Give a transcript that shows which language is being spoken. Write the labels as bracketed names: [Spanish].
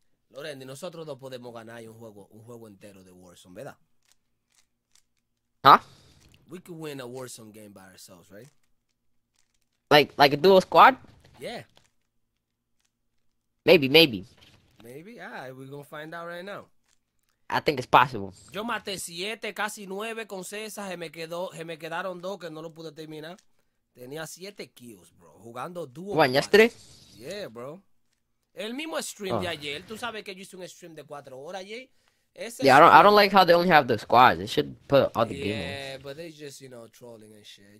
[Spanish] Lorendy, nosotros dos podemos ganar un juego entero de Warzone, ¿verdad? Huh? [English] We could win a Warzone game by ourselves, right? Like a duo squad? Yeah. Maybe. Maybe? Ah, right, we're gonna find out right now. I think it's possible. [Spanish] Yo maté 7, casi 9 con César. Se me quedaron 2 que no lo pude terminar. Tenía 7 kills, bro. Jugando duo. [English] ¿Juan, yesterday? Yeah, bro. [Spanish] El mismo stream de ayer. Tú sabes que yo hice un stream de 4 horas ayer. [English] Yeah, I don't like how they only have the squads. They should put all the games. Yeah, but they just, you know, trolling and shit.